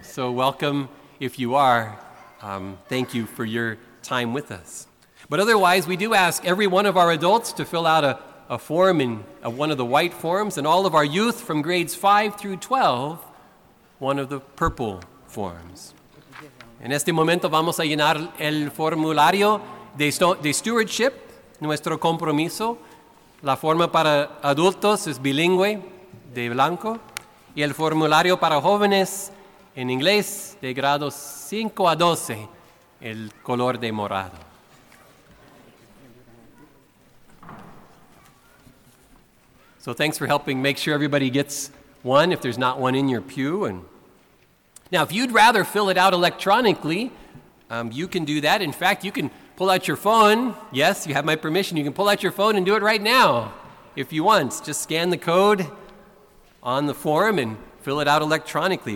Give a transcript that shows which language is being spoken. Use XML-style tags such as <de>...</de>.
<en>So welcome if you are. Thank you for your time with us. But otherwise, we do ask every one of our adults to fill out a form in one of the white forms, and all of our youth from grades 5 through 12, one of the purple forms.</en> <es>En este momento vamos a llenar el formulario de stewardship, nuestro compromiso. La forma para adultos es bilingüe, de blanco, y el formulario para jóvenes en inglés de grados 5 a 12, el color de morado.</es> <en>So thanks for helping make sure everybody gets one if there's not one in your pew. And now, if you'd rather fill it out electronically, you can do that. In fact, you can pull out your phone. Yes, you have my permission. You can pull out your phone and do it right now if you want. Just scan the code on the form and fill it out electronically.</en>